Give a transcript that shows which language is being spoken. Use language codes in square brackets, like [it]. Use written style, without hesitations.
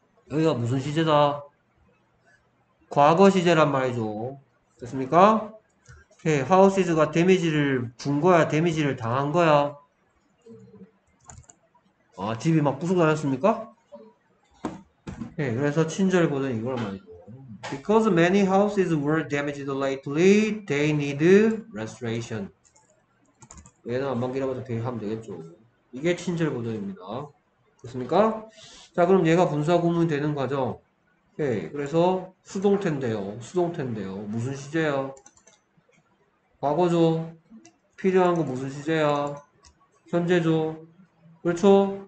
[ko] 여기가 무슨 시제다? 과거 시제란 말이죠. 됐습니까? 오케이. Houses가 데미지를 준 거야, 데미지를 당한 거야. 아, 집이 막 부수고 다녔습니까? 예, 그래서 친절 버전 이걸 말이죠. [en] Because many houses were damaged lately, they need restoration. [ko] 얘는 안방 길어봐서 대기하면 되겠죠. 이게 친절 버전입니다. 됐습니까? 자, 그럼 얘가 분사구문 되는 과정. 예, 그래서 수동태인데요. 수동태인데요. 무슨 시제요? 과거죠. 필요한 거 무슨 시제야? 현재죠. 그렇죠?